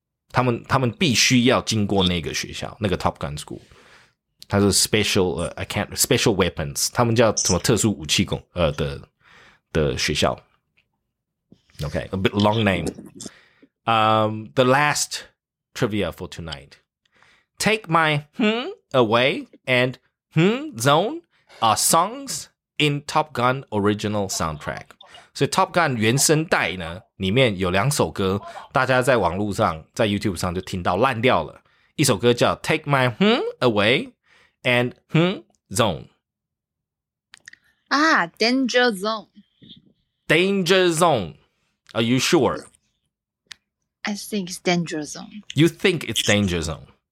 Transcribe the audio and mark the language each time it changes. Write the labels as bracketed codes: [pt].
[zh] 他们必须要经过那个学校，那个 Top Gun School。它是 special weapons， 他们叫什么特殊武器工的学校。 [en] Okay, a bit long name. The last trivia for tonight. Take my away and zone. Are songs in Top Gun original soundtrack. [zh] So Top Gun 原声带呢，里面有两首歌，大家在网络上，在 YouTube 上就听到烂掉了。一首歌叫 Take My Away and Zone. [en] Ah, Danger Zone. Danger Zone. Are you sure? I think it's Danger Zone. You think it's Danger Zone?